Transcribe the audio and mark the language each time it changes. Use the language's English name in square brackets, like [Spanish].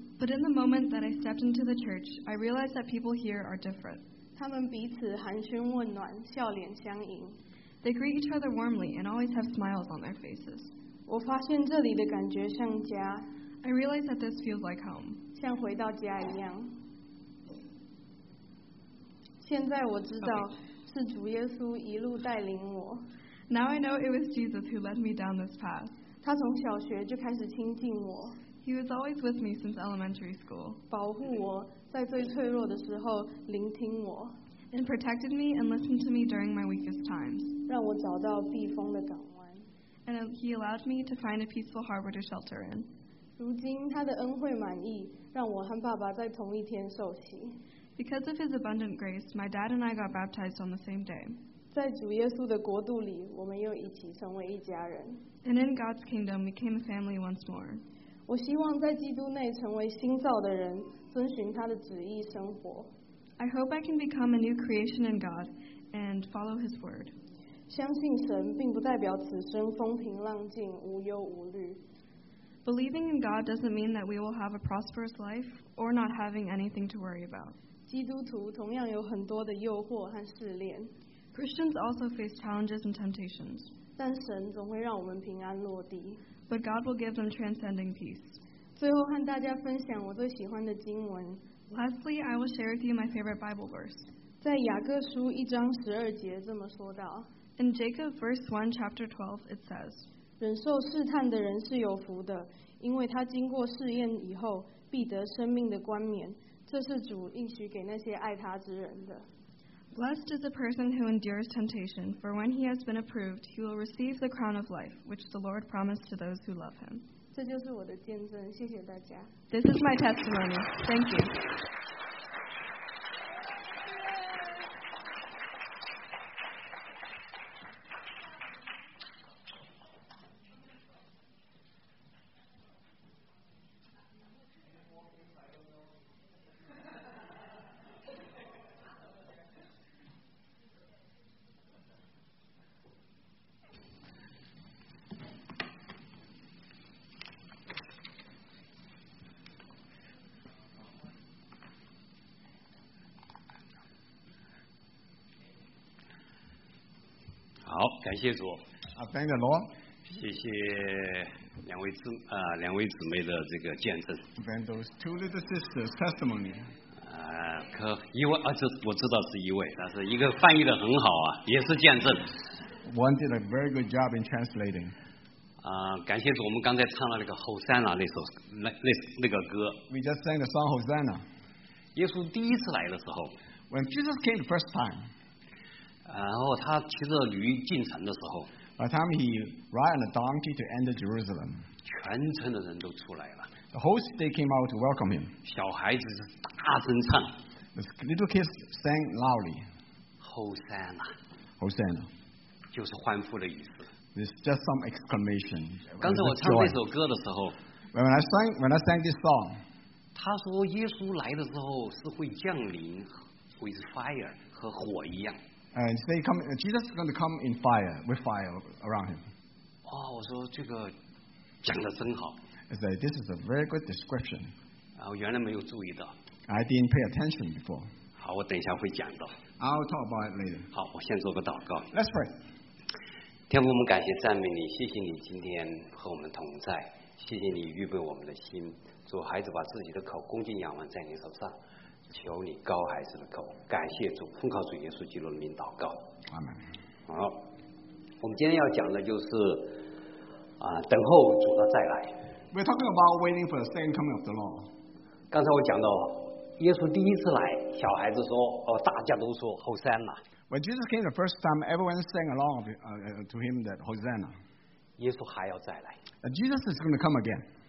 [English] But in the moment that I stepped into the church, I realized that people here are different. [Chinese] 他们彼此寒暄问暖，笑脸相迎。 [English] They greet each other warmly and always have smiles on their faces. [Chinese] 我发现这里的感觉像家。 [English] I realized that this feels like home. [Chinese] 像回到家一样。现在我知道是主耶稣一路带领我。 [English] Now I know it was Jesus who led me down this path. [Chinese] 他从小学就开始亲近我。 [English] He was always with me since elementary school. [Chinese] 保护我，在最脆弱的时候聆听我。 [English] And protected me and listened to me during my weakest times. [Chinese] 让我找到避风的港湾。 [English] And he allowed me to find a peaceful harbor to shelter in. [Chinese] 如今他的恩惠满溢，让我和爸爸在同一天受洗。 [English] Because of his abundant grace, my dad and I got baptized on the same day. [Chinese] 在主耶稣的国度里，我们又一起成为一家人。 [English] And in God's kingdom, we became a family once more. [Chinese] 我希望在基督内成为新造的人，遵循他的旨意生活。 [English] I hope I can become a new creation in God and follow his word. [Chinese] 相信神并不代表此生风平浪静，无忧无虑。 [English] Believing in God doesn't mean that we will have a prosperous life or not having anything to worry about. [Chinese] 基督徒同样有很多的诱惑和试炼。 [English] Christians also face challenges and temptations. [Chinese] 但神总会让我们平安落地。 [English] But God will give them transcending peace. [Chinese] 最后和大家分享我最喜欢的经文。 [English] Lastly, I will share with you my favorite Bible verse. [Chinese] 在雅各书一章十二节这么说道。 [English] In Jacob verse 1 chapter 12, it says, [Chinese] 忍受试探的人是有福的，因为他经过试验以后，必得生命的冠冕。这是主应许给那些爱他之人的。 [English] Blessed is the person who endures temptation, for when he has been approved, he will receive the crown of life, which the Lord promised to those who love him. [Chinese] 这就是我的见证，谢谢大家。 [English] This is my testimony. Thank you. [Chinese] 感谢主。 [English] 啊 ，Thank the Lord。 [Chinese] 谢谢两位姊啊、两位姊妹的这个见证。 [English] Thank those two little sisters' testimony。 [Chinese] 可一位啊，这我知道是一位，但是一个翻译的很好啊，也是见证。 [English] One did a very good job in translating。 [Chinese] 感谢主，我们刚才唱了那个 Hosanna 那首那个歌。 [English] We just sang the song Hosanna。 [Chinese] 耶稣第一次来的时候。 [English] When Jesus came the first time。 [Chinese] 然后他骑着驴进城的时候。 [English] By the time he ride on a donkey to enter Jerusalem。 [Chinese] 全城的人都出来了。 [English] The whole city came out to welcome him。 [Chinese] 小孩子大声唱。 [English] The little kids sang loudly。 Hosanna。 Hosanna。 [Chinese] 就是欢呼的意思。 [English] It's just some exclamation. [Chinese] 刚才我唱这首歌的时候 [English] when I sang this song, [Chinese] 他说耶稣来的时候是会降临 [English] with fire [Chinese] 和火一样 [English] and they come, Jesus is going to come in fire with fire around him. [Chinese] 哦，我说这个讲得真好 [English] I said, this is a very good description. [Chinese] 我原来没有注意到 [English] I didn't pay attention before. [Chinese] 好，我等一下会讲到 [English] I'll talk about it later. [Chinese] 好，我先做个祷告 [English] Let's pray. [Chinese] 天父，我们感谢赞美你，谢谢你今天和我们同在，谢谢你预备我们的心，主孩子把自己的口恭敬仰望在你手上，求你高孩子的口，感谢主，奉靠主耶稣基督的名祷告，阿门。好，我们今天要讲的就是等候主的再来。 [English] We're talking about waiting for the second coming of the Lord。 [Chinese] 刚才我讲到耶稣第一次来，小孩子说，哦，大家都说Hosanna。 [English] When Jesus came the first time, everyone sang along to him that Hosanna. [Chinese] 耶稣还要再来。 [English] Jesus is going to come again.